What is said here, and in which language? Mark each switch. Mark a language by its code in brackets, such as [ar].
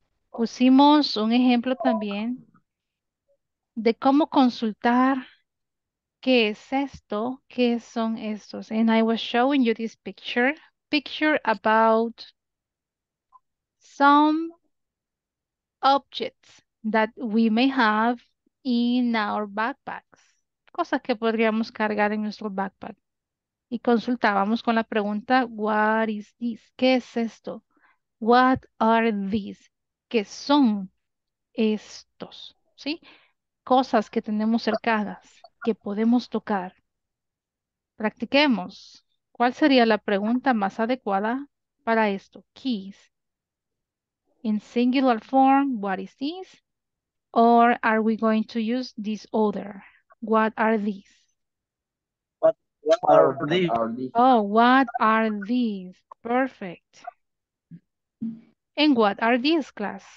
[es] Pusimos un ejemplo también de cómo consultar qué es esto, qué son estos. [en] And I was showing you this picture. Picture about some objects that we may have in our backpacks. [es] Cosas que podríamos cargar en nuestro backpack. Y consultábamos con la pregunta, [en] what is this? [es] ¿Qué es esto? [en] What are these? [es] ¿Qué son estos? ¿Sí? Cosas que tenemos cercanas, que podemos tocar. Practiquemos. ¿Cuál sería la pregunta más adecuada para esto? [en] Keys. In singular form, what is this? Or are we going to use this other? What are these? What are these? [es] Oh, what are these? Perfect. And what are these, class?